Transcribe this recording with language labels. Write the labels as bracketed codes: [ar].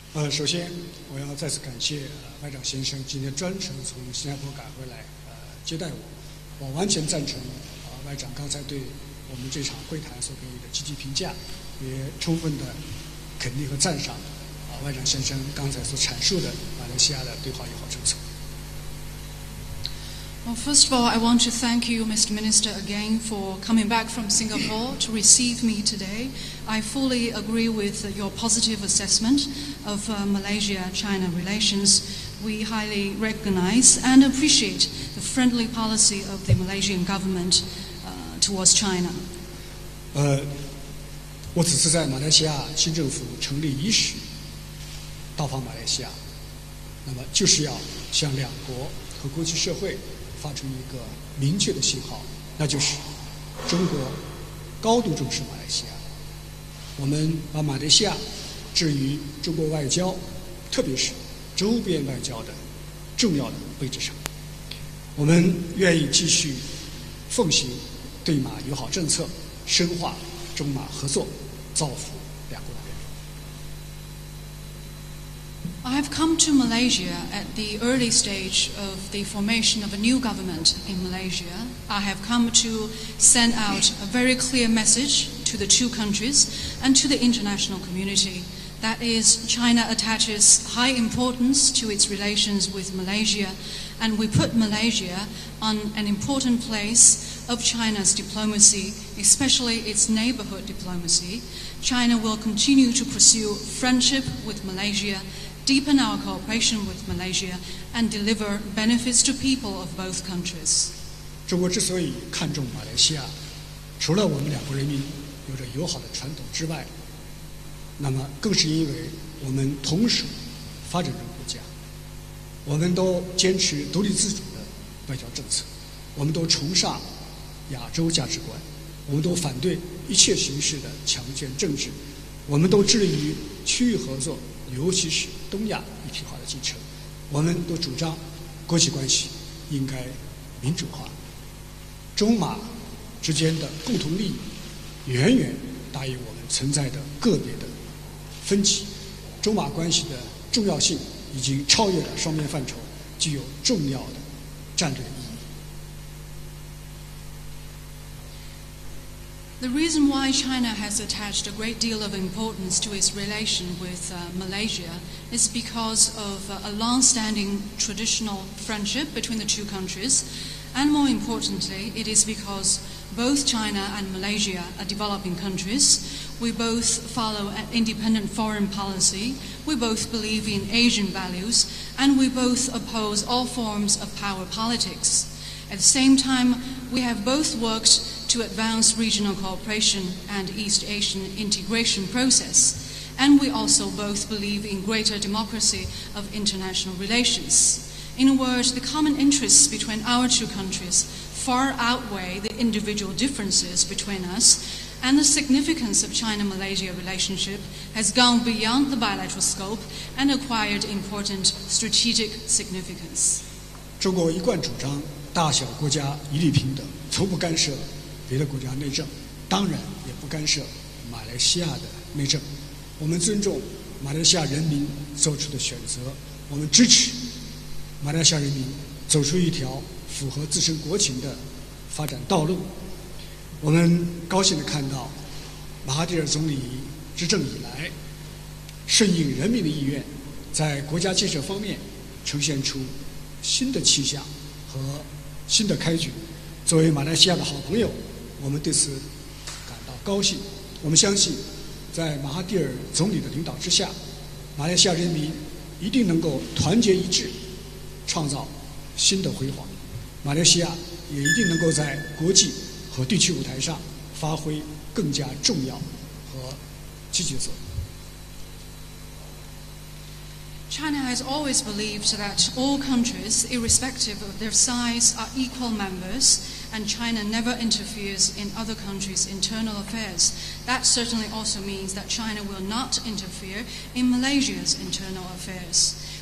[zh] 首先我要再次感谢外长先生今天专程从新加坡赶回来接待我。我完全赞成外长刚才对我们这场会谈所给予的积极评价，也充分的肯定和赞赏外长先生刚才所阐述的马来西亚的对华友好政策。 [en] Well, first of all, I want to thank you, Mr. Minister, again for coming back from Singapore to receive me today. I fully agree with your positive assessment of Malaysia-China relations. We highly recognize and appreciate the friendly policy of the Malaysian government towards China. [zh] 我此次在马来西亚新政府成立伊始到访马来西亚，那么就是要向两国和国际社会发出一个明确的信号，那就是中国高度重视马来西亚，我们把马来西亚置于中国外交，特别是周边外交的重要的位置上。我们愿意继续奉行对马友好政策，深化中马合作，造福两国的人民。 [en] I've come to Malaysia at the early stage of the formation of a new government in Malaysia. I have come to send out a very clear message to the two countries and to the international community. That is, China attaches high importance to its relations with Malaysia, and we put Malaysia on an important place of China's diplomacy, especially its neighborhood diplomacy. China will continue to pursue friendship with Malaysia. Deepen our cooperation with Malaysia and deliver benefits to people of both countries. [zh] 中国之所以看重马来西亚，除了我们两国人民有着友好的传统之外，那么更是因为我们同属发展中国家，我们都坚持独立自主的外交政策，我们都崇尚亚洲价值观，我们都反对一切形式的强权政治，我们都致力于区域合作。尤其是东亚一体化的进程，我们都主张国际关系应该民主化，中马之间的共同利益远远大于我们存在的个别的分歧，中马关系的重要性已经超越了双边范畴，具有重要的战略意义。 [en] The reason why China has attached a great deal of importance to its relation with Malaysia is because of a long-standing traditional friendship between the two countries, and more importantly, it is because both China and Malaysia are developing countries. We both follow an independent foreign policy, we both believe in Asian values, and we both oppose all forms of power politics. At the same time, we have both worked to advance regional cooperation and East Asian integration process. And we also both believe in greater democracy of international relations. In a word, the common interests between our two countries far outweigh the individual differences between us, and the significance of China-Malaysia relationship has gone beyond the bilateral scope and acquired important strategic significance. [zh] 中国一贯主张大小国家一律平等，从不干涉别的国家内政，当然也不干涉马来西亚的内政。我们尊重马来西亚人民做出的选择，我们支持马来西亚人民走出一条符合自身国情的发展道路。我们高兴地看到马哈蒂尔总理执政以来顺应人民的意愿，在国家建设方面呈现出新的气象和新的开局。作为马来西亚的好朋友，我们对此感到高兴。我们相信，在马哈蒂尔总理的领导之下，马来西亚人民一定能够团结一致，创造新的辉煌。马来西亚也一定能够在国际和地区舞台上发挥更加重要和积极的作用。 [en] China has always believed that all countries, irrespective of their size, are equal members, and China never interferes in other countries' internal affairs. That certainly also means that China will not interfere in Malaysia's internal affairs.